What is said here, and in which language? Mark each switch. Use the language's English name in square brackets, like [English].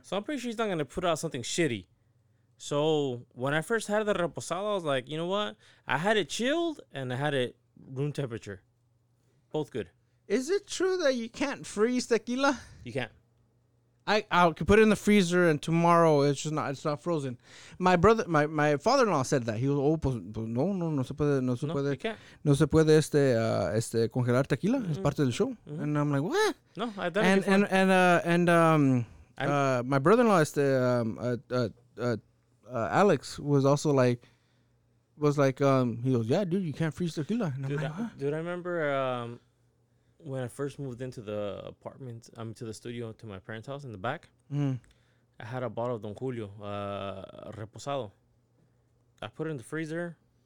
[English] So, I'm pretty sure he's not going to put out something shitty. So, when I first had the Reposado, I was like, you know what? I had it chilled and I had it room temperature. Both good. Is it true that you can't freeze tequila? You can't. I could put it in the freezer and tomorrow it's not frozen. My brother, my father-in-law said that. He was, oh, pues, no se puede. You can't. [Spanish] No se puede congelar tequila. [English] Mm-hmm. Es parte del show. Mm-hmm. And I'm like, what? No, I don't. And my brother-in-law, Alex was like, he goes, yeah, dude, you can't freeze tequila. And dude, I'm like, huh? Dude, I remember, when I first moved into the apartment, to the studio, to my parents' house in the back, I had a bottle of Don Julio, Reposado. I put it in the freezer.